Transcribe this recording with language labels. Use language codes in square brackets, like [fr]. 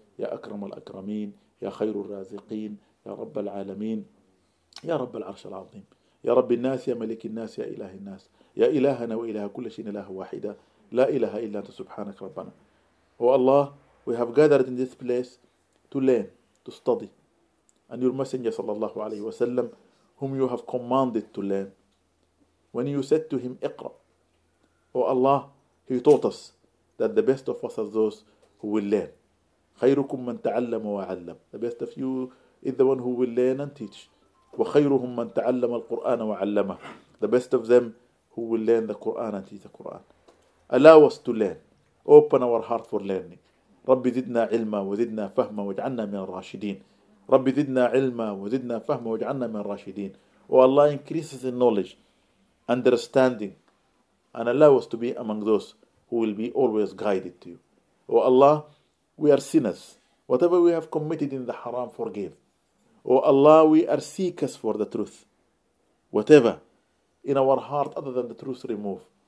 [ar] يا أكرم الأكرمين يا خير الرازقين يا رب العالمين يا رب العرش العظيم يا رب الناس يا ملك الناس يا إله الناس يا إلهنا وإله كل شيء إله واحدة لا إله إلا أنت سبحانك ربنا. [en] Oh Allah, we have gathered in this place to learn, to study, and your messenger [ar] صلى الله عليه وسلم, [en] whom you have commanded to learn, when you said to him اقرأ, Oh Allah, he taught us that the best of us are those who will learn. [ar] خيركم من تعلم وعلم. [en] The best of you is the one who will learn and teach. [ar] وخيرهم من تعلم القرآن وعلمه. [en] The best of them who will learn the Quran and teach the Quran. Allow us to learn. Open our heart for learning. [ar] ربي زدنا علما وزدنا فهما واجعلنا من الراشدين. ربي زدنا علما وزدنا فهما واجعلنا من الراشدين. [en] Oh Allah, increases in knowledge, understanding, and allow us to be among those who will be always guided to you. Oh Allah, we are sinners. Whatever we have committed in the haram, forgive. O Allah, we are seekers for the truth. Whatever in our heart other than the truth, remove.